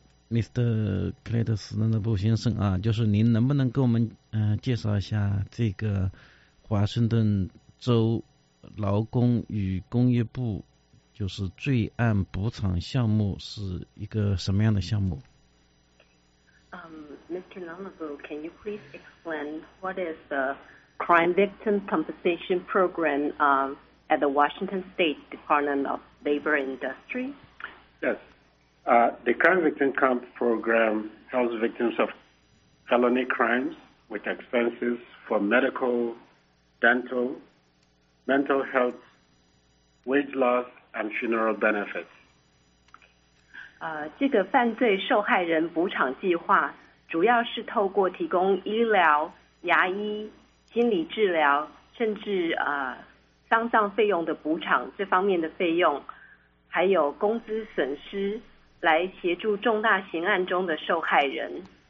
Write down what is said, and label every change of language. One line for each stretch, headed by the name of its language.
Chinese: Cletus 南达布先生啊，就是您能不能给我们介绍一下这个华盛顿州劳工与工业部就是罪案补偿项目是一个什么样的项目？
English: Mr. Nanavu, can you please explain what is the Crime Victim Compensation Program at the Washington State Department of Labor and Industry? Yes. The Crime Victim Comp Program helps victims of felony crimes with expenses for medical, dental, mental health, wage loss, and funeral benefits.
Chinese: 这个犯罪受害人补偿计划主要是透过提供医疗、牙医、心理治疗，甚至丧葬费用的补偿这方面的费用，还有工资损失，来协助重大刑案中的受害人。